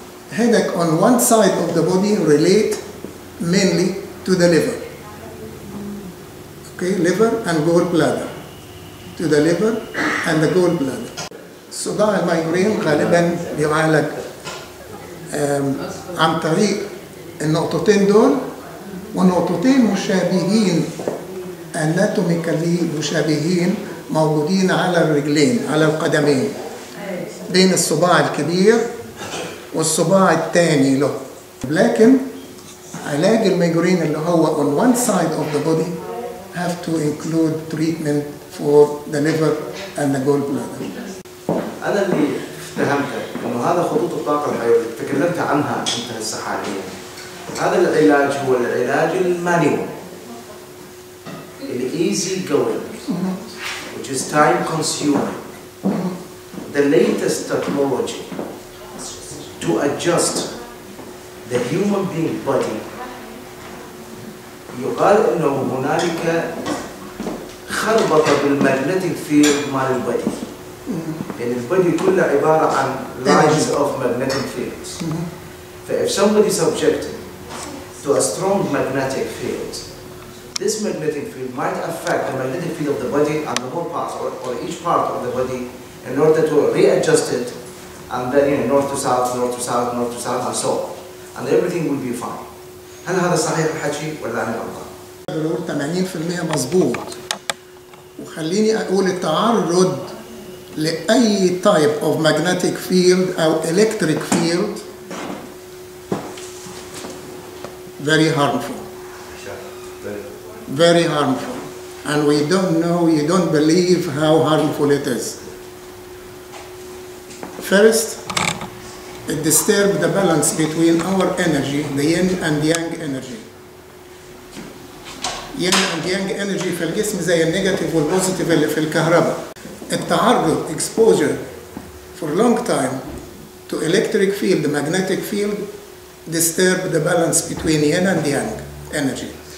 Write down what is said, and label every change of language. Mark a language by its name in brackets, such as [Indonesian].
[Arabic] هذاك [English] on one side of the body relate mainly to the liver. Okay, liver and gallbladder. To the liver and the gallbladder. [Arabic] صداع الميجرين غالبا بيعالج عن طريق النقطتين دول، ونقطتين مشابهين اناتوميكالي مشابهين موجودين على الرجلين على القدمين بين الصباع الكبير والصباع الثاني له. لكن علاج الميجرين اللي هو [English] on one side of the body have to include treatment for the liver and the gallbladder. [Arabic] انا اللي اتهمتك انه هذا خطوط الطاقه الحيويه تكلمت عنها انت هسه حاليا، هذا العلاج هو العلاج المانيوال الايزي جوينج [English] which is time consuming. The latest technology to adjust the human being body. [Arabic] يقال انه هنالك خربطه بالماجنتيك فيلد مال البدي. لأن البدي كله عبارة عن [English] lines of magnetic fields. [Arabic] فإذا [English] somebody subjected to a strong magnetic field, this magnetic field might affect the magnetic field of the body and the whole part or each part of the body in order to readjust it, and then you know, north to south, north to south, north to south, and so on, and everything will be fine. [Arabic] هل هذا صحيح الحكي ولا أنا غلطان؟ 80% مظبوط. وخليني أقول التعرض لأي [English] type of magnetic field [Arabic] أو [English] electric field very harmful. Very harmful. And we don't know, you don't believe how harmful it is. First, it disturbs the balance between our energy, the yin and yang energy. Yin and yang energy [Arabic] في الجسم زي النيجاتيف والبوزيتيف اللي في الكهرباء. التعرض [English] exposure for long time to electric field, the magnetic field, disturb the balance between yin and yang energy.